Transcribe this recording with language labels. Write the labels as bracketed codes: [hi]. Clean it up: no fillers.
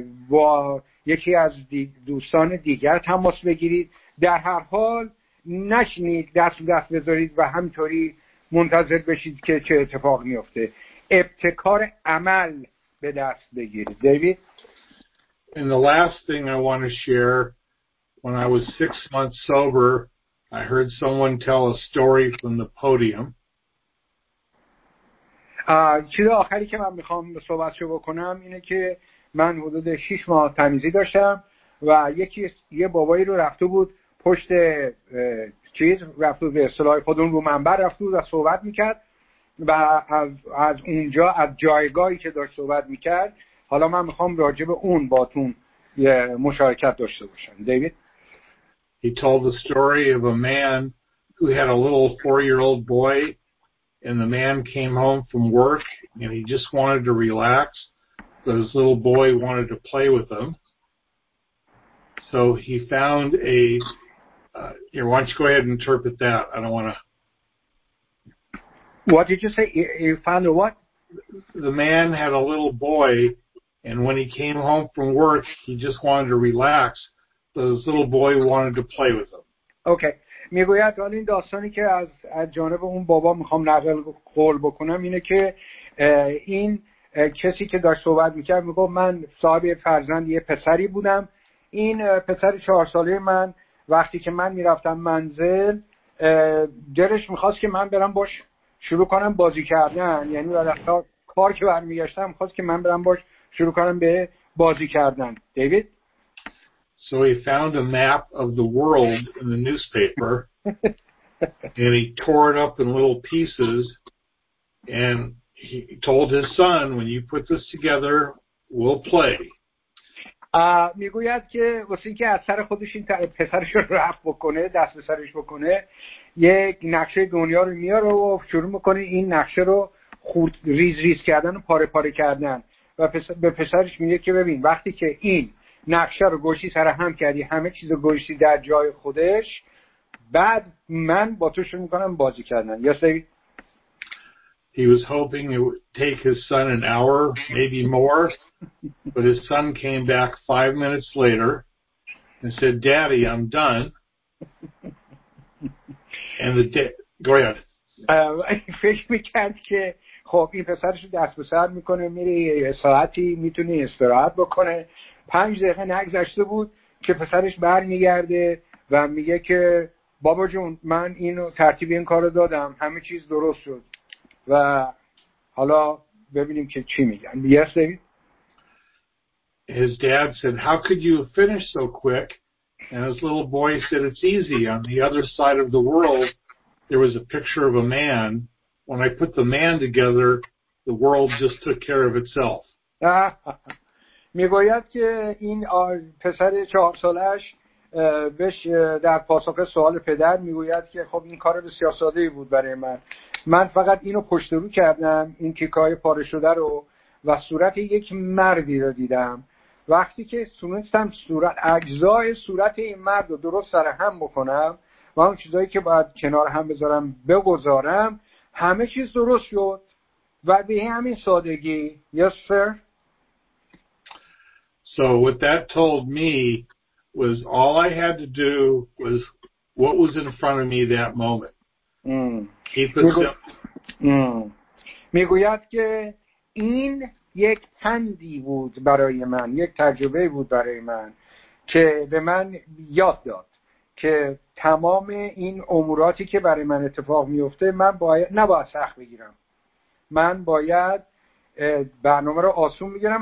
[fa] با یکی از دوستان دیگر تماس بگیرید، در هر حال نشینید دست دست بذارید و همطوری منتظر بشید که چه اتفاق میفته، ابتکار عمل به دست بگیرید. دیوید. [en] And the last thing I want to share, when I was 6 months sober, I heard someone tell a story from the podium. [fa] چیز آخری که من میخوام صحبت شو بکنم اینه که من حدود 6 ماه تمیزی داشتم و یه بابایی رو رفته بود پشت چیز رفته بود به اصطلاح خودمون رو منبر رفته بود و صحبت میکرد و از اونجا از جایگاهی که داشت صحبت میکرد، حالا من میخوام راجع به اون باتون مشارکت داشته باشم. دیوید. [en] He told the story of a man who had a little 4-year-old boy, and the man came home from work and he just wanted to relax, but his little boy wanted to play with him. So he found a here, why don't you go ahead and interpret that? I don't want to. What did you say? You found a what? The man had a little boy, and when he came home from work, he just wanted to relax. This little boy wanted to play with him. Okay. [fa] میگوید حالا این داستانی که از جانب اون بابا میخوام نقل قول بکنم اینه که این کسی که داشت صحبت میکرد میگفت من صاحب فرزند یه پسری بودم. این پسر 4 ساله من وقتی که من میرفتم منزل درش میخواست که من برم باش شروع کنم بازی کردن. یعنی وقتی کار که برمیگشتم میخواست که من برم باش شروع کنم به بازی کردن. دیوید. [en] So he found a map of the world in the newspaper and he tore it up in little pieces and he told his son, when you put this together, we'll play. [fa] میگوید که واسه اینکه از سر خودش این پسرش رو رفع بکنه، دست به سرش بکنه، یک نقشه دنیا رو میاره و شروع میکنه این نقشه رو خورد ریز ریز کردن و پاره پاره کردن و به پسرش میگه که ببین وقتی که این نقشه رو گوشی سر هم کردی، همه چیز رو گوشی در جای خودش، بعد من با تو شروع میکنم بازی کردن. [en] Yes, David. He was hoping it would take his son an hour, maybe more, but his son came back 5 minutes later and said, Daddy, I'm done. And the go ahead. [fa] فکر میکرد که خب این پسرش رو دست به سر میکنه، میره یه ساعتی میتونه استراحت بکنه. 5 دقیقه نگذشته بود که پسرش بر میگرده و میگه که بابا جون من اینو ترتیب این کار دادم، همه چیز درست شد و حالا ببینیم که چی میگن. [en] Yes, David. His dad said, how could you finish so quick? And his little boy said, it's easy. On the other side of the world, there was a picture of a man. When I put the man together, the world just took care of itself. [fa] میگوید که این پسر 4 سالش بهش در پاسخ سوال پدر میگوید که خب این کار بسیار ساده بود برای من، من فقط اینو پشت رو کردم، این تیکای پاره شده رو، و صورت یک مردی رو دیدم. وقتی که تونستم صورت اجزای صورت این مرد رو درست سر هم بکنم و اون چیزایی که باید کنار هم بذارم بگذارم، همه چیز درست شد و به همین سادگی. [en] Yes, sir. So what that told me was all I had to do was what was in front of me that moment. Keep it simple. [fa] میگوید که این یک پندی بود برای من، یک تجربه بود برای من که به من یاد داد که تمام این اموراتی که برای من اتفاق میفته من باید نباید سخت بگیرم، من باید برنامه رو آسون بگیرم.